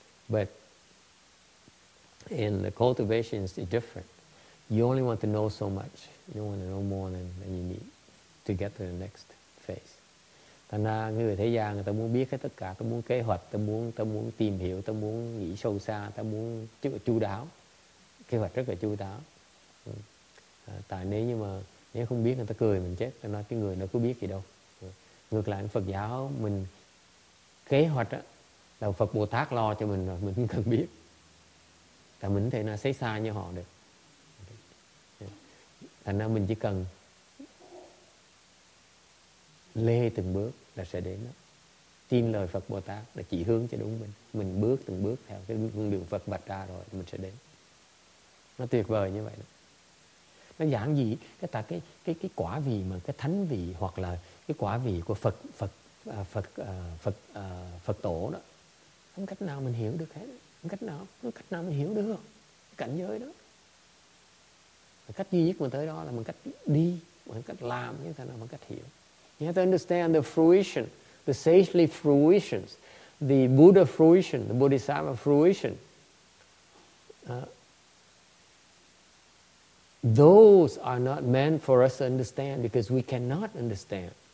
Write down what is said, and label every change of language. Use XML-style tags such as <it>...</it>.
<en>But in the cultivation, it's different. You only want to know so much. You don't want to know more than you need to get to the next phase.</en> <vi>Thành ra người thế gian người ta muốn biết hết tất cả, ta muốn kế hoạch, ta muốn tìm hiểu, ta muốn nghĩ sâu xa, ta muốn chu đáo, kế hoạch rất là chu đáo. Tại nếu không biết người ta cười mình chết, ta nói cái người nó có biết gì đâu. Ngược lại Phật giáo mình kế hoạch á, là Phật Bồ Tát lo cho mình rồi, mình không cần biết. Tại mình thể nào xây xa như họ được. Thành ra mình chỉ cần lê từng bước là sẽ đến đó. Tin lời Phật Bồ Tát là chỉ hướng cho đúng mình. Mình bước từng bước theo cái đường Phật vạch ra rồi mình sẽ đến. Nó tuyệt vời như vậy đó. Nó giảng gì? Cái quả vị mà cái thánh vị hoặc là cái quả vị của Phật tổ đó. Không cách nào mình hiểu được hết. Không cách nào mình hiểu được cảnh giới đó. Cách duy nhất mình tới đó là bằng cách đi, bằng cách làm, như thế nào bằng cách hiểu.</vi> <en>You have to understand the fruition, the sagely fruitions, the Buddha fruition, the Bodhisattva fruition. Those are not meant for us to understand because we cannot understand.</en>